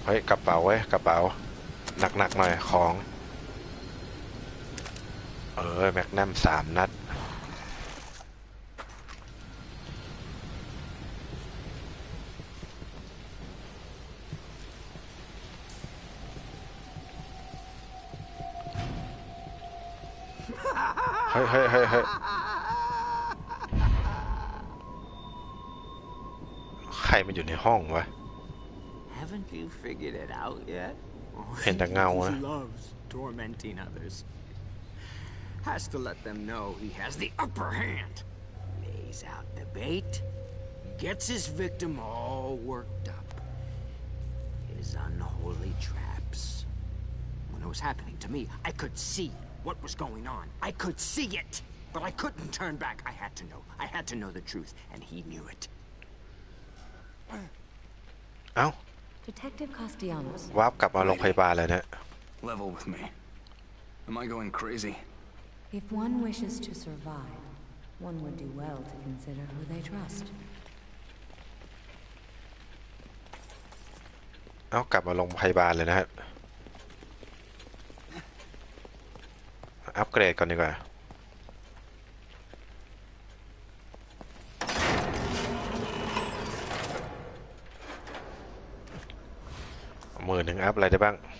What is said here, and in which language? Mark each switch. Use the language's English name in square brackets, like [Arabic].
[Thai] กระเป๋าไว้กระเป๋าหนักๆ หน่อยของแม็กนัม3นัดเฮ้ย ใครมาอยู่ในห้องวะ [English] Haven't you figured it out yet? And the guy who loves tormenting others has to let them know he has the upper hand. Lays out the bait, gets his victim all worked up. His unholy traps. When it was happening to me, I could see what was going on. I could see it, but I couldn't turn back. I had to know. I had to know the truth, and he knew it. Oh. Detective Castellanos. [Thai] วาร์ปกลับมาโรงพยาบาลเลยนะ [English] Level with me. Am I going crazy? If one wishes to survive, one would do well to consider who they trust. [Thai] เอากลับมาโรงพยาบาลเลยนะครับอัปเกรดก่อนดีกว่าหมื่นหนึ่งอัพอะไรได้บ้าง